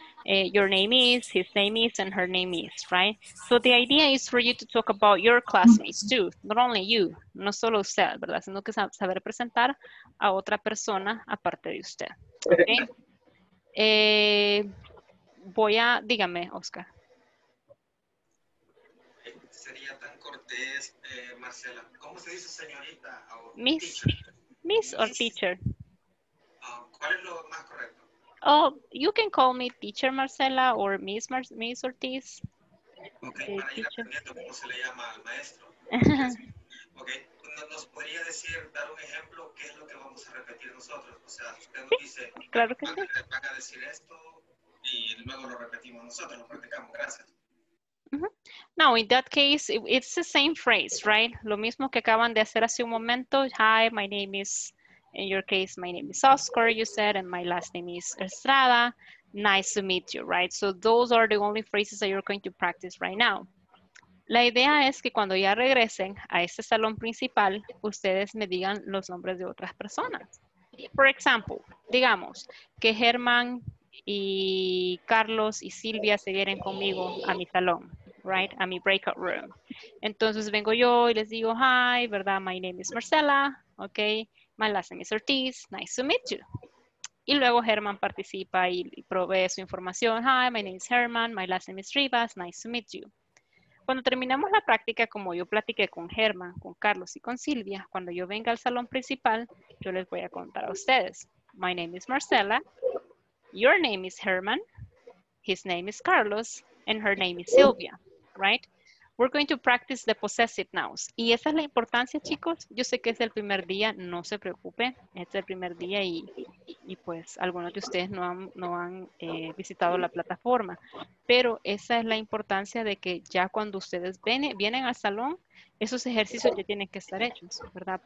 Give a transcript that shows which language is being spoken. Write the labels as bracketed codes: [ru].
[en] Your name is, his name is, and her name is, right? So the idea is for you to talk about your classmates too, not only you, [es] no solo usted, ¿verdad? Sino que saber presentar a otra persona aparte de usted, ¿ok? Voy a, dígame, Oscar. Sería tan cortés, Marcela. ¿Cómo se dice señorita? [en] Miss, teacher? Miss or teacher. [es] ¿Cuál es lo más correcto? [en] Oh, you can call me Teacher Marcela or Miss Miss Ortiz. [es] Okay, para teacher. Ir aprendiendo cómo se le llama al maestro. Okay, ¿nos podría decir, dar un ejemplo, qué es lo que vamos a repetir nosotros? O sea, usted nos dice, sí, claro que sí. Van a decir esto y luego lo repetimos nosotros, lo practicamos, gracias. [en] No, in that case, it's the same phrase, right? [es] Lo mismo que acaban de hacer hace un momento. [en] Hi, my name is... In your case, my name is Oscar, you said, and my last name is Estrada. Nice to meet you, right? So those are the only phrases that you're going to practice right now. [es] La idea es que cuando ya regresen a este salón principal, ustedes me digan los nombres de otras personas. [en] For example, [es] digamos que Germán y Carlos y Silvia se vienen conmigo a mi salón, right? A mi breakout room. Entonces vengo yo y les digo, hi, ¿verdad? [en] My name is Marcela, okay? My last name is Ortiz, nice to meet you. [es] Y luego Herman participa y provee su información. [en] Hi, my name is Herman, my last name is Rivas, nice to meet you. [es] Cuando terminamos la práctica, como yo platiqué con Herman, con Carlos y con Silvia, cuando yo venga al salón principal, yo les voy a contar a ustedes. [en] My name is Marcela, your name is Herman, his name is Carlos, and her name is Silvia, right? We're going to practice the possessive nouns. [es] Y esa es la importancia, chicos. Yo sé que es el primer día, no se preocupen. Es el primer día y pues algunos de ustedes no han, visitado la plataforma. Pero esa es la importancia de que ya cuando ustedes vienen al salón, esos ejercicios ya tienen que estar hechos, ¿verdad?